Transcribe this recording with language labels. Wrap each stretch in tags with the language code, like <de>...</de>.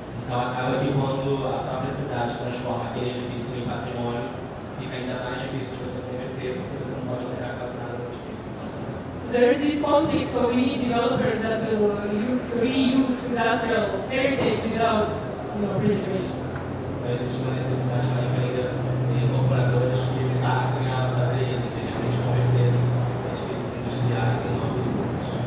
<pt>Então acaba que quando a própria cidade transforma aquele edifício em patrimônio, fica ainda mais difícil de você converter, porque você não pode alterar quase nada do edifício.</pt> <en>There is this conflict, so we need developers that will reuse industrial heritage without, you know, preservation.</en> <pt>Então existe uma necessidade maior ainda de incorporadores que passem a fazer isso, que realmente converter edifícios industriais em novos edifícios.</pt>